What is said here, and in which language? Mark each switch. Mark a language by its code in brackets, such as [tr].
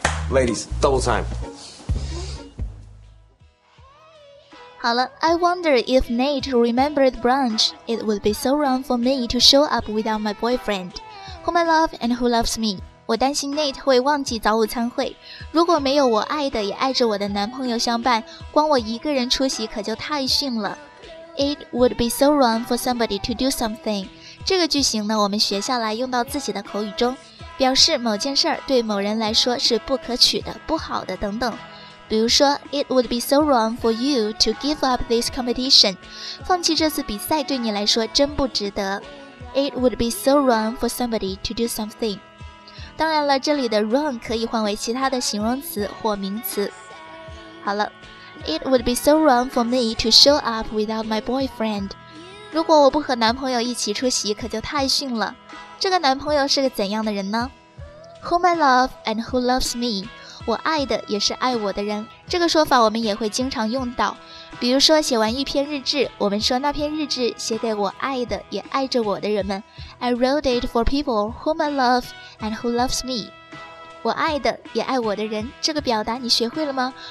[en] Ladies, double time. [zh] 好了 [en] I wonder if Nate remembered brunch. It would be so wrong for me to show up without my boyfriend, whom I love and who loves me. [zh] 我担心 Nate 会忘记早午餐会。如果没有我爱的也爱着我的男朋友相伴，光我一个人出席可就太逊了。 [en] It would be so wrong for somebody to do something. [zh] 这个句型呢，我们学下来用到自己的口语中。表示某件事对某人来说是不可取的、不好的等等。比如说 [en] It would be so wrong for you to give up this competition. [zh] 放弃这次比赛对你来说真不值得。 [en] It would be so wrong for somebody to do something. [zh] 当然了，这里的 wrong 可以换为其他的形容词或名词。好了 [en] It would be so wrong for me to show up without my boyfriend. [zh] 如果我不和男朋友一起出席可就太逊了。这个男朋友是个怎样的人呢？ [en] Whom I love and who loves me. [zh] 我爱的也是爱我的人。这个说法我们也会经常用到。比如说写完一篇日志，我们说那篇日志写给我爱的也爱着我的人们。 [en] I wrote it for people whom I love and who loves me. [zh] 我爱的也爱我的人，这个表达你学会了吗？